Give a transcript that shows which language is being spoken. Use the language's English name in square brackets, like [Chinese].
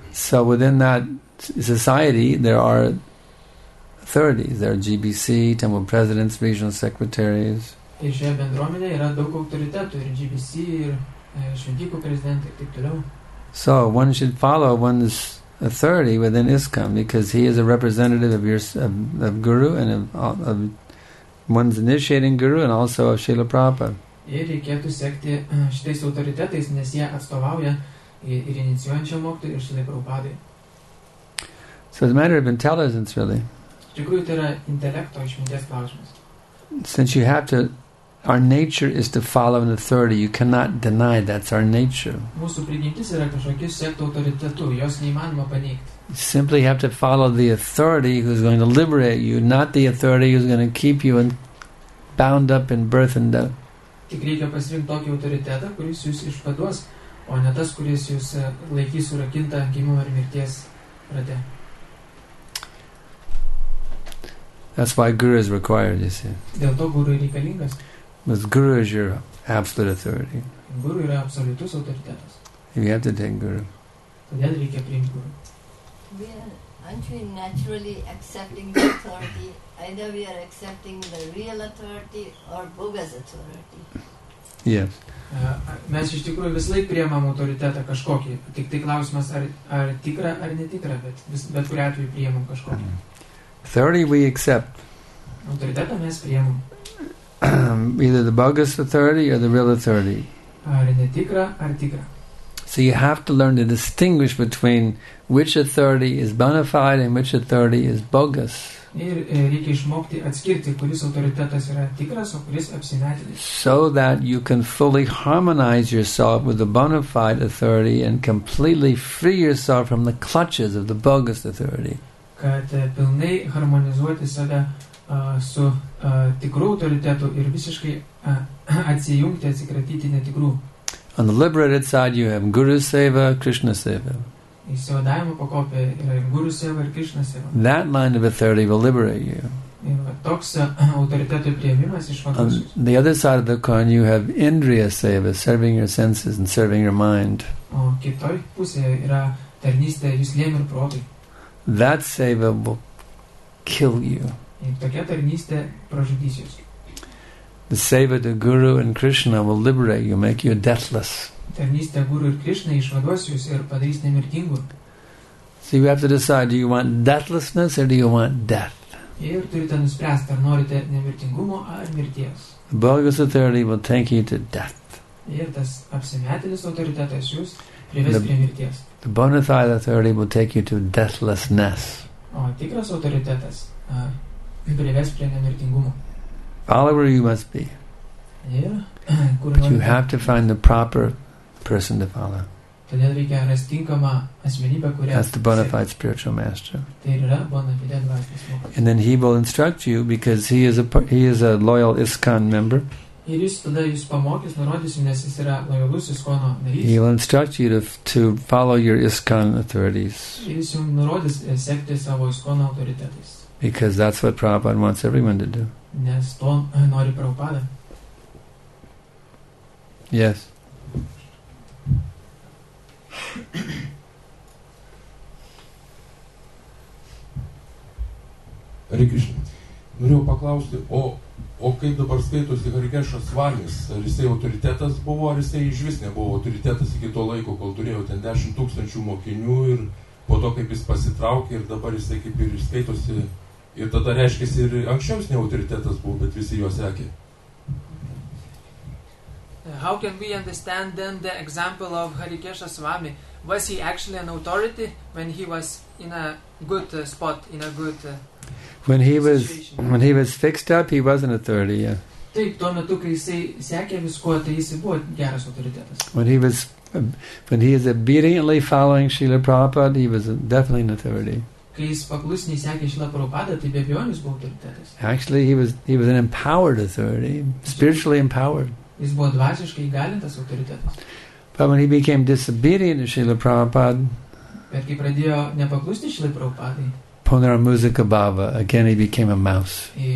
[English] So within that society, there are authorities. There are GBC, temple presidents, regional secretaries. [Lithuanian] Ir šioje bendruomenėje yra daug autoritetų, ir GBC, ir šventikų prezidentai, ir taip toliau. [English] So one should follow one's authority within ISKCON because he is a representative of your of Guru and of one's initiating Guru and also of Srila Prabhupada. [Lithuanian] Ir reikėtų sekti šitais autoritetais, nes jie atstovauja ir inicijuojančiam mokytojui ir Srila Prabhupadai. [English] So it's a matter of intelligence, really. [Lithuanian] Iš tikrųjų, tai yra intelekto išminties klausimas. [English] Since you have to, our nature is to follow an authority. You cannot deny that's our nature. [Lithuanian] Mūsų prigimtis yra kažkokius sekti autoritetų, jos neįmanoma paneigti. [English] Simply have to follow the authority who's going to liberate you, not the authority who's going to keep you and bound up in birth and death. [Lithuanian] Tik reikia pasirinkti tokį autoritetą, kuris jūs išpaduos, o ne tas, kuris jūs laikys surakintą gimimo ir mirties rate. [English] That's why Guru is required, you see. [Lithuanian] Dėl to Guru reikalingas. [English] Because Guru is your absolute authority. [Lithuanian] Guru yra absoliutus autoritetas. [English] You have to take Guru. [Lithuanian] Todėl reikia priimti Guru. [English] Aren't we naturally accepting the authority? Either we are accepting the real authority or bogus authority. Yes. [Lithuanian] Mes iš tikrųjų vis laik priimam autoritetą kažkokį. Tik tai klausimas, ar tikra, ar netikra, bet kuriuo atveju priimam kažkokį. [English] Authority we accept. [Lithuanian] Autoritetą mes priimam. [English] Either the bogus authority or the real authority. [Lithuanian] Ar netikra, ar tikra. [English] So you have to learn to distinguish between which authority is bona fide and which authority is bogus. [Lithuanian] Ir reikia išmokti atskirti, kuris autoritetas yra tikras, o kuris apsimetėlis. [English] So that you can fully harmonize yourself with the bona fide authority and completely free yourself from the clutches of the bogus authority. [Lithuanian] Kad pilnai harmonizuoti save su tikru autoritetu ir visiškai atsijungti, atsikratyti netikrų. [English] On the liberated side you have Guru Seva, Krishna Seva. [Lithuanian] Įsivadavimo pakopė yra Guru Seva ir Krishna Seva. [English] That line of authority will liberate you. [Lithuanian] Toks autoriteto priėmimas išvaduos. [English] On the other side of the coin you have Indriya Seva, serving your senses and serving your mind. [Lithuanian] O kitoj pusėje yra tarnystė juslėm ir protui. [English] That seva will kill you. [Lithuanian] Tokia tarnystė pražudys jus. [English] The seva to Guru and Krishna will liberate you, make you deathless. [Lithuanian] Tarnystė Guru ir Krishna išvaduos jus ir padarys nemirtingu. [English] So you have to decide, do you want deathlessness or do you want death? [Lithuanian] Ir turite nuspręsti, ar norite nemirtingumo ar mirties. [English] The bogus authority will take you to death. [Lithuanian] Ir tas apsimetėlis autoritetas jus prives prie mirties. [English] The bona fide authority will take you to deathlessness. [Lithuanian] O tikras autoritetas prives prie nemirtingumo. [English] Follower you must be. But you have to find the proper person to follow. [Lithuanian] Todėl reikia rasti tinkamą asmenybę, kurią. [English] That's the bona fide spiritual master. [Lithuanian] Tai yra bona fide dvasinis mokytojas. [English] And then he will instruct you because he is a loyal ISKCON member. [Lithuanian] Ir jis tada jūs pamokys, nurodys, nes jis yra lojalus ISKCONo narys. [English] He will instruct you to follow your ISKCON authorities. [Lithuanian] Jis jums nurodys sekti savo ISKCONo autoritetais. [English] Because that's what Prabhupada wants everyone to do. [Lithuanian] Nes to nori Prabhupada. [English] Yes. [Lithuanian] Rikišin, norėjau paklausti, O kaip dabar skaitosi Harikeshas Svamis? Ar jisai autoritetas buvo, ar jisai iš vis nebuvo autoritetas iki to laiko, kol turėjo ten 10,000 mokinių ir po to, kaip jis pasitraukė ir dabar jisai kaip ir skaitosi. Ir tada reiškia, ir anksčiaus ne autoritetas buvo, bet visi juos sekė. [English] How can we understand then the example of Harikeshas Svami? Was he actually an authority when he was in a good spot, in a good... When he was fixed up, he was an authority, yeah. [Lithuanian] Taip, tuo metu, kai jis sekė visko, tai jis buvo geras autoritetas. [English] When he is obediently following Srila Prabhupada, he was definitely an authority. [Lithuanian] Kai jis paklusniai sekė Srila Prabhupada, tai be abejonės buvo autoritetas. [English] Actually, he was an empowered authority, spiritually empowered. [Lithuanian] Jis buvo dvasiškai įgalintas autoritetas. [English] But when he became disobedient to Srila Prabhupada, [Lithuanian] bet kai pradėjo nepaklusti Srila Prabhupadai, [Sanskrit] Ponera Musica Bhava, [English] again he became a mouse.